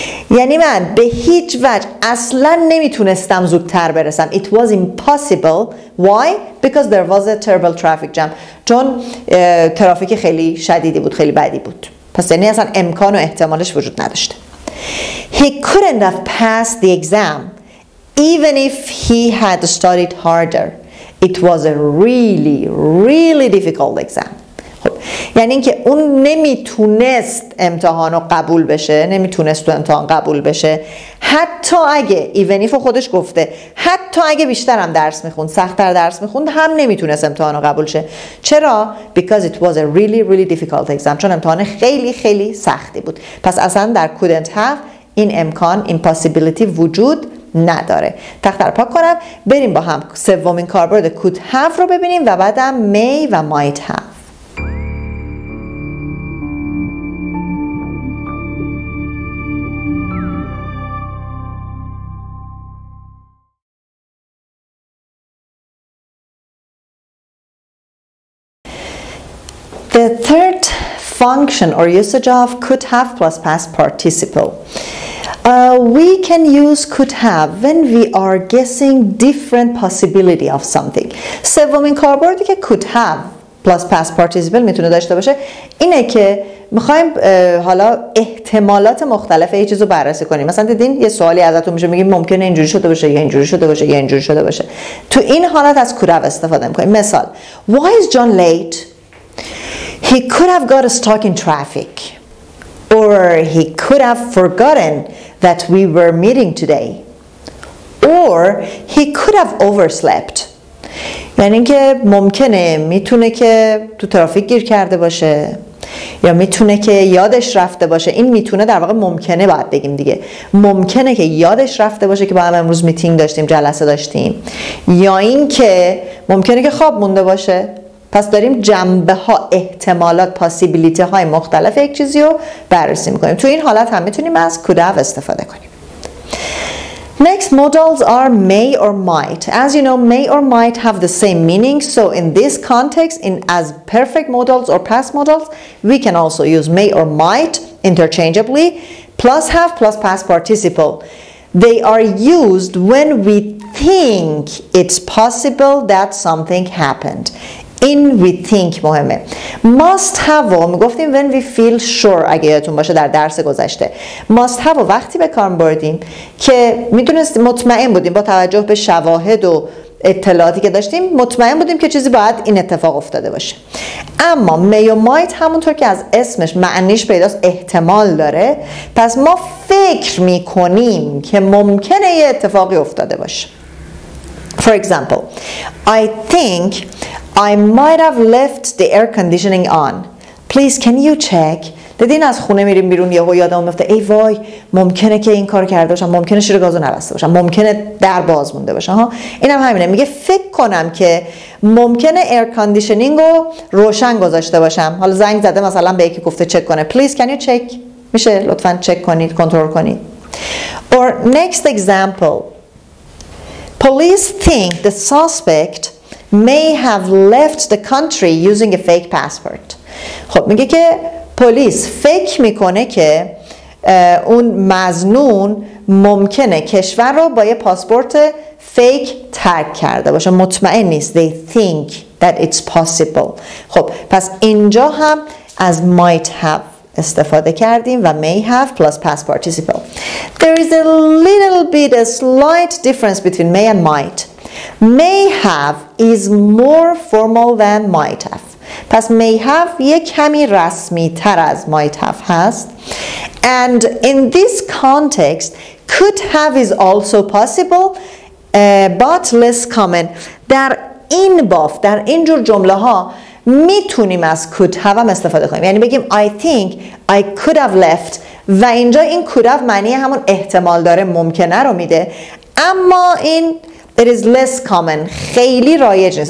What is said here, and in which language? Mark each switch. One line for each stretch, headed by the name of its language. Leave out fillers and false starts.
Persian: یعنی من به هیچ وجه اصلا نمیتونستم زودتر برسم.
English: It was impossible. Why? Because there was a terrible traffic jam.
Persian: چون ترافیک خیلی شدیدی بود، خیلی بدی بود. پس یعنی اصلا امکان و احتمالش وجود نداشت.
English: He couldn't have passed the exam even if he had studied harder. It was a really, really difficult exam. خب
Persian: یعنی اینکه اون نمیتونست امتحانو قبول بشه، نمیتونست تو امتحان قبول بشه، حتی اگه ایونیف خودش گفته حتی اگه بیشترم درس میخوند، سختتر درس میخوند، هم نمیتونست امتحانو قبول شه. چرا؟
English: Because it was a really really difficult exam.
Persian: چون امتحان خیلی خیلی سختی بود. پس اصلا در couldn't have این امکان، این possibility وجود نداره. تخته رو پاک کنم، بریم با هم سومین کاربرد could have رو ببینیم و بعدم may و might have.
English: The third function or usage of could have plus past participle. We can use could have when we are guessing different possibility of something.
Persian: سومین کاربردی که could have plus past participle میتونه داشته باشه اینه که میخوایم حالا احتمالات مختلف یه چیزو بررسی کنیم. مثلا دیدین یه سوالی ازتون میشه، میگیم ممکنه اینجوری شده باشه یا اینجوری شده باشه یا اینجوری شده باشه. تو این حالت از could have استفاده میکنیم. مثال:
English: Why is John late? He could have got stuck in traffic. Or he could have forgotten that we were meeting today. Or he could have overslept.
Persian: یعنی اینکه ممکنه، میتونه که تو ترافیک گیر کرده باشه، یا میتونه که یادش رفته باشه. این میتونه در واقع ممکنه، باید بگیم دیگه، ممکنه که یادش رفته باشه که با هم امروز میتینگ داشتیم، جلسه داشتیم، یا اینکه ممکنه که خواب مونده باشه. پس داریم جنبه ها، احتمالات، پاسیبیلیتی های مختلف یک چیزی رو بررسی میکنیم. تو این حالت هم میتونیم از could have استفاده کنیم.
English: Next models are may or might. As you know, may or might have the same meaning. So in this context, in as perfect models or past models, we can also use may or might interchangeably. Plus have plus past participle. They are used when we think it's possible that something happened. In we think
Persian: مهمه. Must have رو میگفتیم
English: when we feel sure،
Persian: اگه یادتون باشه در درس گذشته. Must have رو وقتی به کار بردیم که میتونستیم مطمئن بودیم با توجه به شواهد و اطلاعاتی که داشتیم، مطمئن بودیم که چیزی باید این اتفاق افتاده باشه. اما may و might همونطور که از اسمش معنیش پیداست احتمال داره، پس ما فکر میکنیم که ممکنه یه اتفاقی افتاده باشه.
English: For example, I think I might have left the air conditioning on. Please, can you check?
Persian: دیدین از خونه میریم بیرون یهو یادم میفته ای وای، ممکنه که این کار کرده باشم، ممکنه شیر گازو نبسته باشم، ممکنه در باز مونده باشه. ها، اینم هم همینه، میگه فکر کنم که ممکنه ایر کاندیشنینگ رو روشن گذاشته باشم. حالا زنگ زده مثلا به یکی گفته چک کنه.
English: Please, can you check?
Persian: میشه لطفاً چک کنید، کنترل کنید.
English: Or next example. Police think the suspect may have left the country using a fake passport.
Persian: خب میگه که پلیس فکر میکنه که اون مظنون ممکنه کشور رو با یه پاسپورت فیک ترک کرده باشه. مطمئن نیست.
English: They think that it's possible.
Persian: خب پس اینجا هم از might have استفاده کردیم و may have plus past participle.
English: There is a little bit, a slight difference between may and might. May have is more formal than might have.
Persian: پس may have یه کمی رسمی تر از might have هست.
English: And in this context, could have is also possible, but less common.
Persian: در این باف، در اینجور جمله ها میتونیم از could have هم استفاده کنیم. یعنی بگیم
English: I think I could have left.
Persian: و اینجا این could have معنی همون احتمال داره، ممکنه رو میده. اما این
English: It is less common.
Persian: خیلی رایج نیست.